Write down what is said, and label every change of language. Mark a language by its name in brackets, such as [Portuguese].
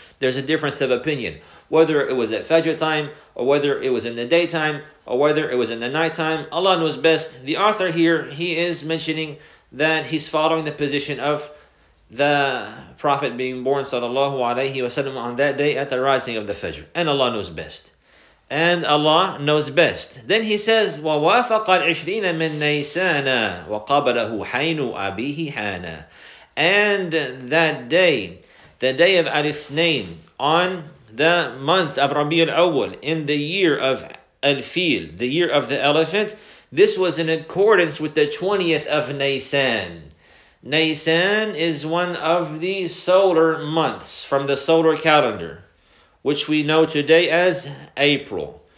[English] There's a difference of opinion. Whether it was at Fajr time, or whether it was in the daytime, or whether it was in the nighttime, Allah knows best. The author here, he is mentioning that he's following the position of the Prophet being born sallallahu alayhi wasallam on that day at the rising of the Fajr. And Allah knows best. And Allah knows best. Then he says, [Arabic] وَوَافَقَ الْعِشْرِينَ مِنْ نَيْسَانَ وَقَبَلَهُ حَيْنُ أَبِيهِ حَانَ. [English] And that day, the day of Al-Ithnayn, on the month of Rabi al-Awwal, in the year of Al-Fil, the year of the elephant, this was in accordance with the 20th of Nisan. Nisan is one of the solar months from the solar calendar, which we know today as April.